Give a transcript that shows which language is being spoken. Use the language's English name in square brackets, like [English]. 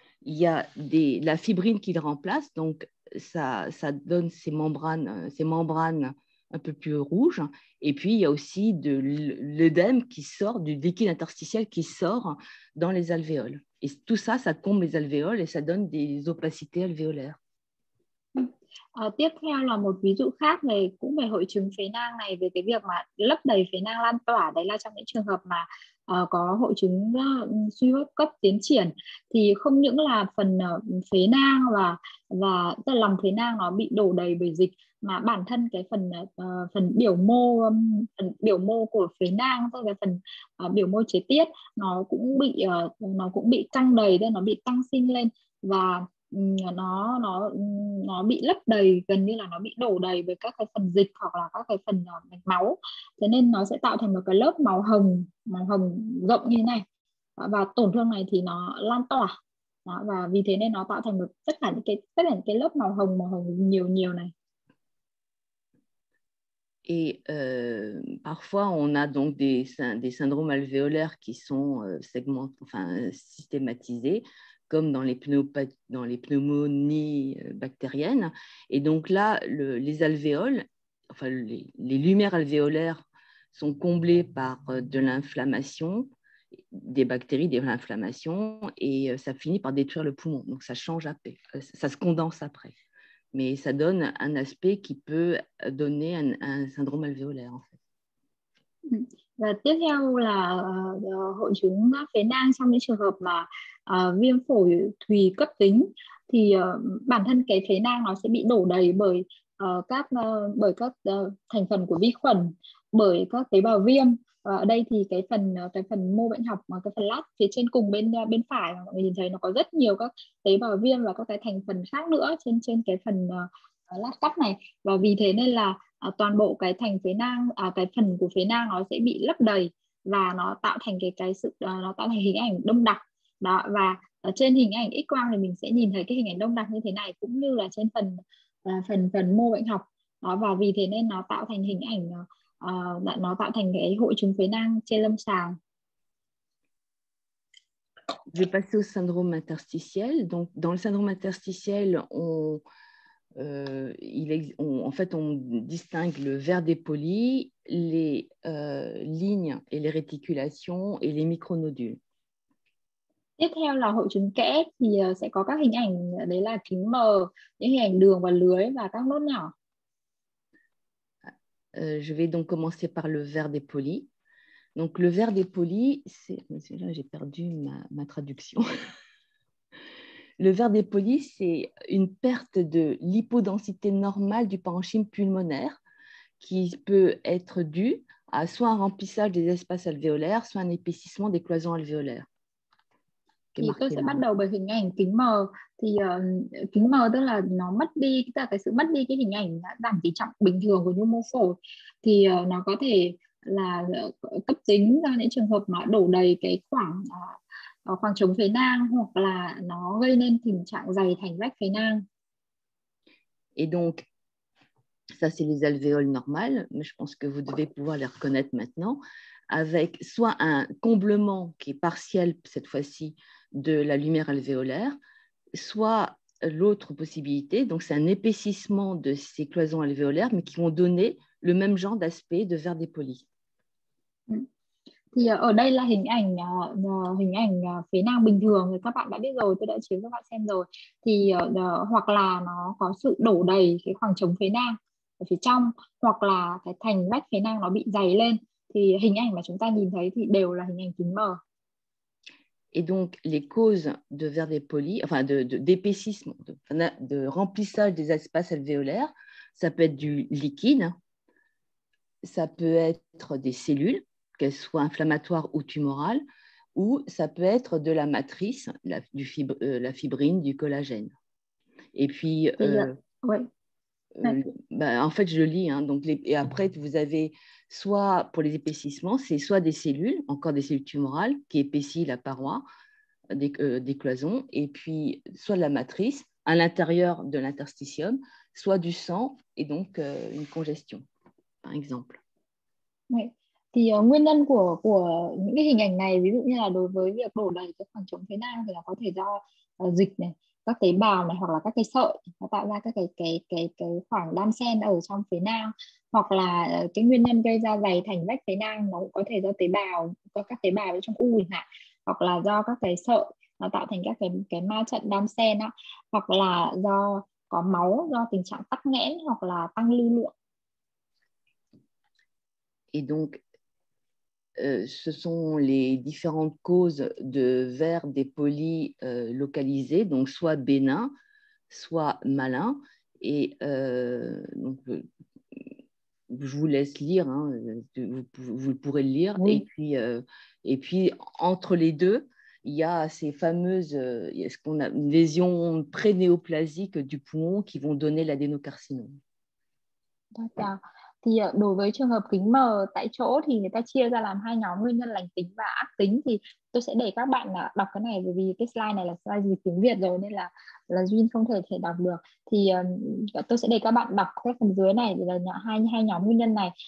[French] Il y a la fibrine qui le remplace. Donc, ça donne ces membranes un peu plus rouge, et puis il y a aussi de l'œdème qui sort, du liquide interstitiel qui sort dans les alvéoles. Et tout ça, ça comble les alvéoles et ça donne des opacités alvéolaires. [Vietnamese] Tiếp theo là một ví dụ khác về cũng về hội chứng phế nang này, về cái việc mà lấp đầy phế nang lan tỏa. Đấy là trong những trường hợp mà có hội chứng suy hô hấp cấp tiến triển thì không những là phần phế nang và tức là lòng phế nang nó bị đổ đầy bởi dịch mà bản thân cái phần biểu mô của phế nang, tức là phần biểu mô chế tiết nó cũng bị căng đầy, nên nó bị tăng sinh lên và nó bị lấp đầy, gần như là nó bị đổ đầy với các cái phần dịch hoặc là các cái phần mạch máu. Thế nên nó sẽ tạo thành một cái lớp màu hồng rộng như thế này. Và tổn thương này thì nó lan tỏa. Đó, và vì thế nên nó tạo thành được tất cả những cái lớp màu hồng nhiều nhiều này. [French] Et parfois, on a donc des syndromes alvéolaires qui sont systématisés, comme dans les pneumonies bactériennes. Et donc là, les alvéoles, enfin les lumières alvéolaires sont comblées par de l'inflammation, des bactéries, de l'inflammation, et ça finit par détruire le poumon. Donc ça change après, ça se condense après. Mais ça donne un aspect qui peut donner un syndrome alvéolaire, en fait. [Vietnamese] Và tiếp theo là hội chứng phế nang trong những trường hợp mà viêm phổi thùy cấp tính thì bản thân cái phế nang nó sẽ bị đổ đầy bởi các thành phần của vi khuẩn, bởi các tế bào viêm. Ở đây thì cái phần mô bệnh học, cái phần lát phía trên cùng bên phải mọi người nhìn thấy nó có rất nhiều các tế bào viêm và các cái thành phần khác nữa trên cái phần lát cắt này, và vì thế nên là toàn bộ cái thành phế nang, cái phần của phế nang nó sẽ bị lấp đầy và nó tạo thành cái sự hình ảnh đông đặc đó. Và ở trên hình ảnh X quang thì mình sẽ nhìn thấy cái hình ảnh đông đặc như thế này, cũng như là trên phần mô bệnh học đó, và vì thế nên nó tạo thành hình ảnh nó tạo thành cái hội chứng phế nang trên lâm sàng. [French] Je passe au syndrome interstitiel. Donc dans le syndrome interstitiel on distingue le ver dépoli, les lignes et les réticulations et les micronodules. [Vietnamese] Tiếp theo là hội chứng kẽ thì sẽ có các hình ảnh đấy là kính mờ, những hình ảnh đường và lưới và các nốt nhỏ. [French] Je vais donc commencer par le verre dépoli. Donc, le verre dépoli, c'est. Là, j'ai perdu ma traduction. Le verre dépoli, c'est une perte de l'hypodensité normale du parenchyme pulmonaire qui peut être due à soit un remplissage des espaces alvéolaires, soit un épaississement des cloisons alvéolaires. Qui est [Vietnamese] Thì tôi [French] marqué [Vietnamese] sẽ bắt [French] là. [Vietnamese] đầu bởi hình ảnh kính mờ. Thì kính mờ tức là nó mất đi, tức là cái sự mất đi cái hình ảnh giảm tỷ trọng bình thường của nhu mô phổi. Thì nó có thể là cấp tính do những trường hợp nó đổ đầy cái khoảng khoảng trống phế nang, hoặc là nó gây nên tình trạng dày thành rách phế nang. [French] Et donc, ça c'est les alvéoles normales, mais je pense que vous devez pouvoir les reconnaître maintenant, avec soit un comblement qui est partiel cette fois-ci de la lumière alvéolaire, soit l'autre possibilité, donc c'est un épaississement de ces cloisons alvéolaires, mais qui vont donner le même genre d'aspect de verre dépoli. [Vietnamese] Thì ở đây là hình ảnh phế nang bình thường thì các bạn đã biết rồi, tôi đã chiếu cho các bạn xem rồi. Thì hoặc là nó có sự đổ đầy cái khoảng trống phế nang ở phía trong, hoặc là cái thành rách phế nang nó bị dày lên, thì hình ảnh mà chúng ta nhìn thấy thì đều là hình ảnh kính mờ. [French] Et donc, les causes de verre dépoli, enfin d'épaississement, de remplissage des espaces alvéolaires, ça peut être du liquide, ça peut être des cellules, qu'elles soient inflammatoires ou tumorales, ou ça peut être de la matrice, la fibrine, du collagène. Et puis, [Vietnamese] Thì [French] en fait, je lis, hein, donc et après, vous avez soit pour les épaississements, c'est soit des cellules, encore des cellules tumorales, qui épaississent la paroi des cloisons, et puis soit de la matrice à l'intérieur de l'interstitium, soit du sang, et donc une congestion, par exemple. [Vietnamese] Nguyên nhân của những cái hình ảnh này, ví dụ như là đối với việc đổ đầy cái khoảng trống phế nang, thì nó có thể do dịch này, các tế bào này, hoặc là các cái sợi nó tạo ra các cái khoảng đan xen ở trong phế nang, hoặc là cái nguyên nhân gây ra dày thành rách phế nang nó cũng có thể do tế bào, có các tế bào ở trong u chẳng hạn, hoặc là do các cái sợi nó tạo thành các cái ma trận đan xen á, hoặc là do có máu, do tình trạng tắc nghẽn hoặc là tăng lưu lượng. [French] Et donc, ce sont les différentes causes de verre dépoli localisé, donc soit bénin, soit malin. Et je vous laisse lire, hein, vous pourrez le lire. Oui. Et puis, entre les deux, il y a ces fameuses ce qu'on a, lésions prénéoplasiques du poumon qui vont donner l'adénocarcinome. D'accord. [Vietnamese] Thì đối với trường hợp kính mờ tại chỗ thì người ta chia ra làm hai nhóm nguyên nhân lành tính và ác tính. Thì tôi sẽ để các bạn đọc cái này, bởi vì cái slide này là slide dịch tiếng Việt rồi nên là Duyên không thể thể đọc được. Thì tôi sẽ để các bạn đọc cái phần dưới này là hai nhóm nguyên nhân này.